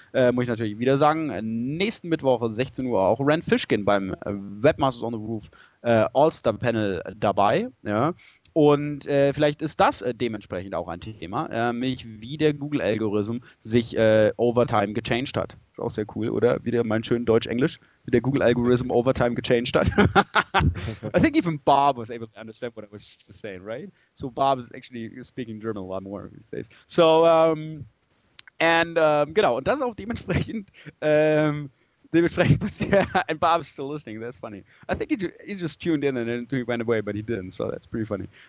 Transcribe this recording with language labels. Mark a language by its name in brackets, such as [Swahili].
[German] Muss ich natürlich wieder sagen, nächsten Mittwoch 16 Uhr auch Rand Fishkin beim Webmasters on the Roof All-Star-Panel dabei. Ja. Und vielleicht ist das dementsprechend auch ein Thema, nämlich wie der Google-Algorithmus sich overtime gechanged hat. Ist auch sehr cool, oder? Wieder mein schön Deutsch-Englisch, wie der Google-Algorithmus overtime gechanged hat. [English] I think even Bob was able to understand what I was saying, right? So Bob is actually speaking German a lot more these days. [German] So, genau, und das ist auch dementsprechend... [English] and Bob's still listening. That's funny. I think he just tuned in and then he went away, but he didn't. So that's pretty funny.